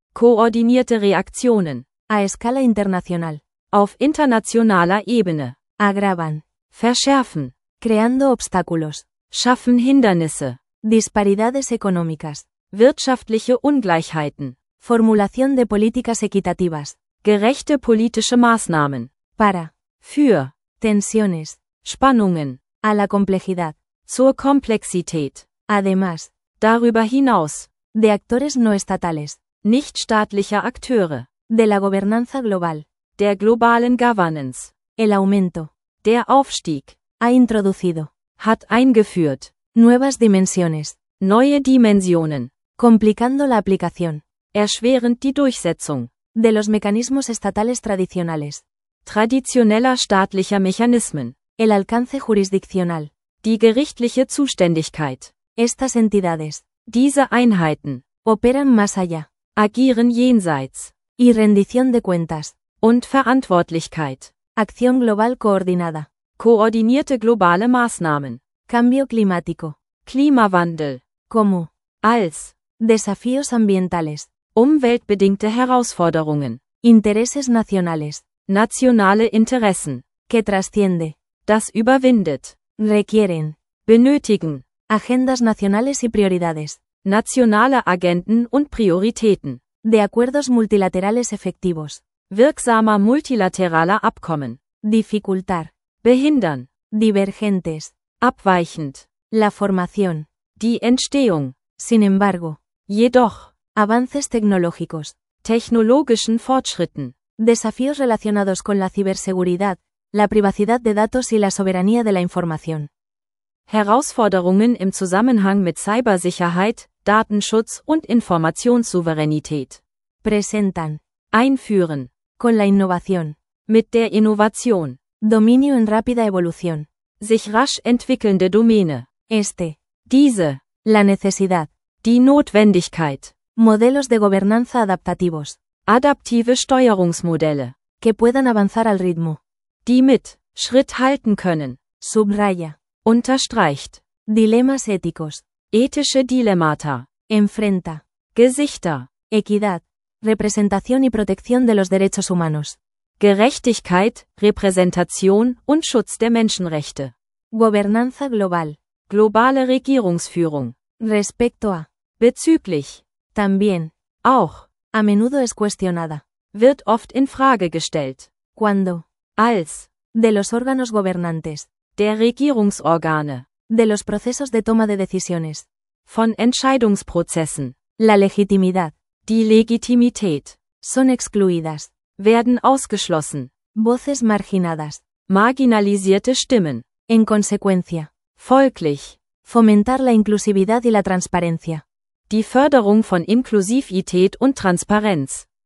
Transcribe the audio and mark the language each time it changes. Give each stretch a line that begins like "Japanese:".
German: Koordinierte Reaktionen.
Spanish: A escala internacional.
German: Auf internationaler Ebene.
Spanish: Agravan.
German: Verschärfen.
Spanish: Creando obstáculos.
German: Schaffen Hindernisse.
Spanish: Disparidades económicas.
German: Wirtschaftliche Ungleichheiten.
Spanish: Formulación de políticas equitativas.
German: Gerechte politische Maßnahmen.
Spanish: Para.
German: Für.
Spanish: Tensiones.
German: Spannungen.
Spanish: A la complejidad.
German: Zur Komplexität.
Spanish: Además.
German: Darüber hinaus.
Spanish: De actores no estatales.
German: Nichtstaatlicher Akteure.
Spanish: De la gobernanza global.
German: Der globalen Governance.
Spanish: El aumento.
German: Der Aufstieg.
Spanish: Ha introducido.
German: Hat eingeführt.
Spanish: Nuevas dimensiones.
German: Neue Dimensionen.
Spanish: Complicando la aplicación.
German: Erschwerend die Durchsetzung.
Spanish: De los mecanismos estatales tradicionales.
German: Traditioneller staatlicher Mechanismen.
Spanish: El alcance jurisdiccional.
German: Die gerichtliche Zuständigkeit.
Spanish: Estas entidades.
German: Diese Einheiten.
Spanish: Operan más allá.
German: Agieren jenseits.
Spanish: Y rendición de cuentas.
German: Und Verantwortlichkeit.
Spanish: Acción global coordinada.
German: Koordinierte globale Maßnahmen.
Spanish: Cambio climático.
German: Klimawandel.
Spanish: Como.
German: Als.
Spanish: Desafíos ambientales.
German: Umweltbedingte Herausforderungen.
Spanish: Intereses nacionales.
German: Nationale Interessen.
Spanish: Que trasciende.
German: Das überwindet.
Spanish: Requieren.
German: Benötigen.
Spanish: Agendas nacionales y prioridades.
German: Nationale Agenden und Prioritäten.
Spanish: De acuerdos multilaterales efectivos.
German: Wirksamer multilateraler Abkommen.
Spanish: Dificultar.
German: Behindern.
Spanish: Divergentes.
German: Abweichend.
Spanish: La formación.
German: Die Entstehung.
Spanish: Sin embargo.
German: Jedoch.
Spanish: Avances tecnológicos.
German: Technologischen Fortschritten.
Spanish: Desafíos relacionados con la ciberseguridad, la privacidad de datos y la soberanía de la información.
German: Herausforderungen im Zusammenhang mit Cybersicherheit, Datenschutz und Informationssouveränität.
Spanish: Presentan.
German: Einführen.
Spanish: Con la innovación.
German: Mit der Innovation.
Spanish: Dominio en rápida evolución.
German: Sich rasch entwickelnde Domäne.
Spanish: Este.
German: Diese.
Spanish: La necesidad.
German: Die Notwendigkeit.
Spanish: Modelos de gobernanza adaptativos.
German: Adaptive Steuerungsmodelle.
Spanish: Que puedan avanzar al ritmo.
German: Die mit. Schritt halten können.
Spanish: Subraya.
German: Unterstreicht.
Spanish: Dilemas éticos.
German: Ethische Dilemmata.
Spanish: Enfrenta.
German: Gesichter.
Spanish: Equidad. Representación y protección de los derechos humanos.
German: Gerechtigkeit, Repräsentation und Schutz der Menschenrechte.
Spanish: Gobernanza global.
German: Globale Regierungsführung.
Spanish: Respecto a.
German: Bezüglich.
Spanish: También.
German: Auch.
Spanish: A menudo es cuestionada.
German: Wird oft in Frage gestellt.
Spanish: Cuando.
German: Als.
Spanish: De los órganos gobernantes.
German: Der Regierungsorgane.
Spanish: De los procesos de toma de decisiones.
German: Von Entscheidungsprozessen.
Spanish: La legitimidad.
German: Die Legitimität.
Spanish: Son excluidas.
German: Werden ausgeschlossen.
Spanish: Voces marginadas.
German: Marginalisierte Stimmen.
Spanish: En consecuencia.
German: Folglich.
Spanish: Fomentar la inclusividad y la transparencia.
German: Die Förderung von Inklusivität und Transparenz.